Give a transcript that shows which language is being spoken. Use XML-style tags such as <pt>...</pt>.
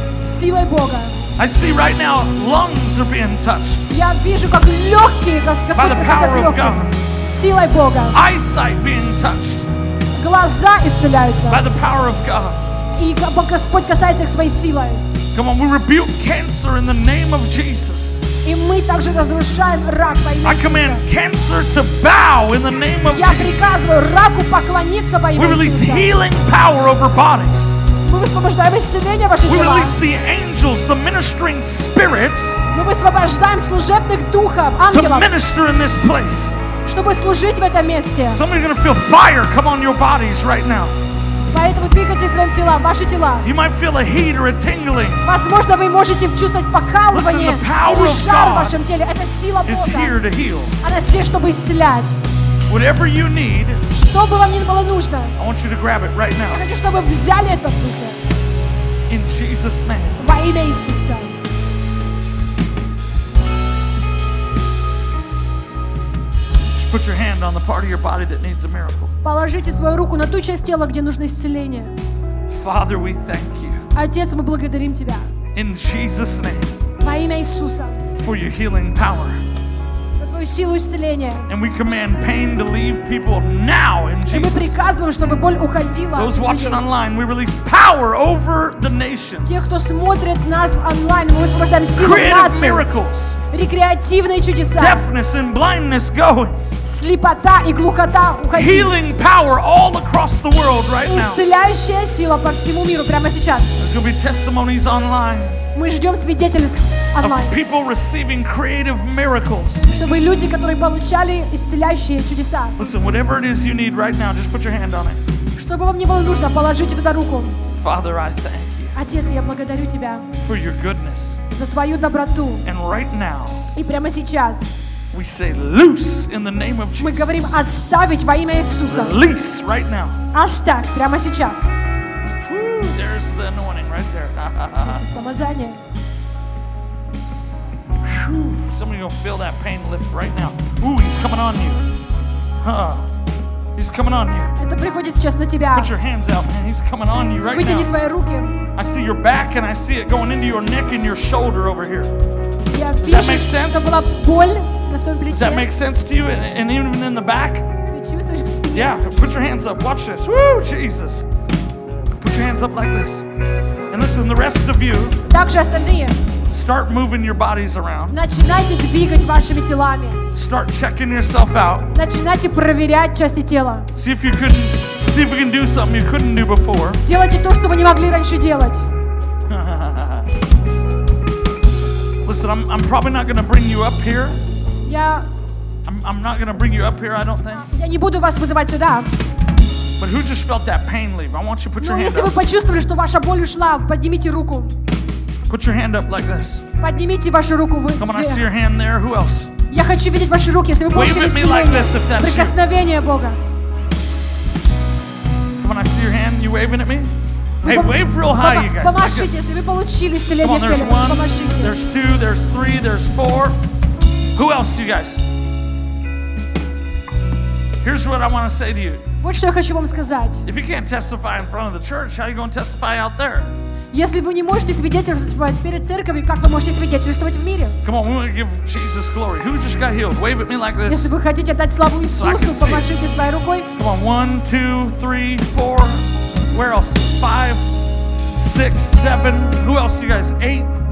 <ru>Силой Бога.</ru> <en>I see right now lungs are being touched.</en> <ru>Я вижу как легкие, как</ru> <en>by the power of God.</en> <ru>Силой Бога.</ru> <en>Eyesight being touched.</en> <ru>Глаза исцеляются.</ru> <en>By the power of God.</en> <ru>И Господь касается их своей силой.</ru> <en>Come on, we rebuke cancer in the name of Jesus.</en> <ru>И мы также разрушаем рак во имя Иисуса.</ru> <en>I command cancer to bow in the name of</en> <ru>Jesus. Я приказываю раку поклониться во имя Иисуса.</ru> <en>We release healing power over bodies.</en> <ru>Мы высвобождаем исцеление ваших</ru> <en>тел. We release the angels, the ministering spirits.</en> <ru>Мы высвобождаем служебных духов, ангелов.</ru> <en>To minister in this place.</en> <ru>Чтобы служить в этом месте.</ru> <en>Some are going to feel fire come on your bodies right now.</en> <ru>Поэтому двигайте своим телом, ваши тела.</ru> <en>You might feel a heat or a tingling.</en> <ru>Возможно, вы можете чувствовать покалывание.</ru> <en>Listen, the power</en> <ru>или жар</ru> <en>of God</en> <ru>в вашем теле. Это сила Бога.</ru> <en>Is here to heal.</en> <ru>Она здесь, чтобы исцелять.</ru> <en>Whatever you need,</en> <ru>что бы вам ни было нужно,</ru> <en>I want you to grab it right now.</en> <ru>Я хочу, чтобы вы взяли это в руки.</ru> <en>In Jesus' name.</en> <ru>Во имя Иисуса.</ru> <en>Just put your hand on the part of your body that needs a miracle.</en> <ru>Положите свою руку на ту часть тела, где нужно исцеление.</ru> <en>Father, we thank you.</en> <ru>Отец, мы благодарим тебя.</ru> <en>In Jesus' name.</en> <ru>Во имя Иисуса.</ru> <en>For your healing power. And we command pain to leave people now in Jesus.</en> <ru>И мы приказываем, чтобы боль уходила.</ru> <en>Those watching online, we release power over the nations.</en> <ru>Те, кто смотрят нас онлайн, мы высвобождаем силу нации.</ru> <en>Creative miracles.</en> <ru>Рекреативные чудеса.</ru> <en>Deafness and blindness going.</en> <ru>Слепота и глухота уходи.</ru> <en>Healing power all across the world right now.</en> <ru>Исцеляющая сила по всему миру прямо сейчас.</ru> <en>There's going to be testimonies online.</en> <ru>Мы ждем свидетельств онлайн. Чтобы люди, которые получали исцеляющие чудеса.</ru> <en>Listen, whatever it is you need right now, just put your hand on it.</en> <ru>Чтобы вам не было нужно, положите туда руку.</ru> <en>Father, I thank you.</en> <ru>Отец, я благодарю тебя.</ru> <en>For your goodness.</en> <ru>За твою доброту.</ru> <en>And right now.</en> <ru>И прямо сейчас.</ru> <en>We say loose in the name of Jesus.</en> <ru>Мы говорим оставить во имя Иисуса.</ru> <en>Release right now.</en> <ru>Оставь прямо сейчас.</ru> <en>There's the anointing right there.</en> <ru>Здесь помазание.</ru> <en>Somebody gonna feel that pain lift right now. Ooh, he's coming on you. He's coming on you.</en> <ru>Это приходит сейчас на тебя.</ru> <en>Put your hands out, man. He's coming on you right</en> <ru>Вытяни Вытяни свои руки.</ru> <en>I see your back and I see it going into your neck and your shoulder over here.</en> <ru>Я</ru> <en>Does that make sense?</en> <ru>Была боль на том плече.</ru> <en>Does that make sense to you? And even in the back?</en> <ru>Ты чувствуешь в спине?</ru> <en>Yeah. Put your hands up. Watch this. Woo, Jesus. Put your hands up like this. And listen, the rest of you.</en> <ru>Также остальные.</ru> <en>Start moving your bodies around.</en> <ru>Начинайте двигать вашими телами.</ru> <en>Start checking yourself out.</en> <ru>Начинайте проверять части тела.</ru> <en>See if you could, see if we can do something you couldn't do before.</en> <ru>Делайте то, что вы не могли раньше делать.</ru> <en>Listen, I'm probably not going to bring you up here.</en> <ru>Я.</ru> <en>I'm not going to bring you up here. I don't think.</en> <ru>Я не буду вас вызывать сюда.</ru> <en>But who just felt that pain leave? I want you to put your hand up.</en> <ru>Но если вы почувствовали, что ваша боль ушла, поднимите руку.</ru> <en>Put your hand up like this.</en> <ru>Поднимите вашу руку вверх.</ru> <en>Come on, I see your hand there. Who else?</en> <ru>Я хочу видеть ваши руки, если вы получили исцеление. Прикосновение Бога.</ru> <en>When I see your hand, you waving at me? Hey, wave real high, you guys.</en> <ru>Помашите, если вы получили исцеление в теле.</ru> <en>Come on, there's one, there's two, there's three, there's four. Who else, you guys? Here's what I want to say to you.</en> <ru>Вот что я хочу вам сказать.</ru> <en>If you can't testify in front of the church, how are you going to testify out there?</en> <ru>Если вы не можете свидетельствовать перед церковью, как вы можете свидетельствовать в мире?</ru> <en>Come on, we want to give Jesus glory. Who just got healed? Wave at me like this.</en> <ru>Если вы хотите дать славу Иисусу, помашите своей рукой.</ru> <en>Come on, one, two, three, four. Where else? Five, six, seven. Who else, you guys? Eight.</en>